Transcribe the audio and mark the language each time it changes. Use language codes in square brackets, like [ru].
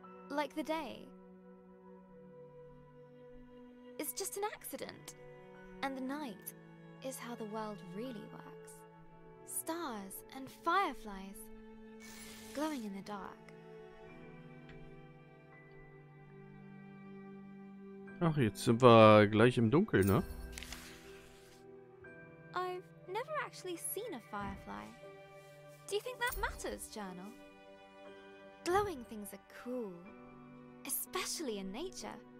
[en] Like the day. It's just an accident. And the night is how the world really works. Stars and fireflies glowing in the dark. [de] Ach, jetzt sind wir gleich im Dunkeln, ne? [en] I've never actually seen a firefly. Do you think that matters, Journal? Glowing things are cool, especially in nature.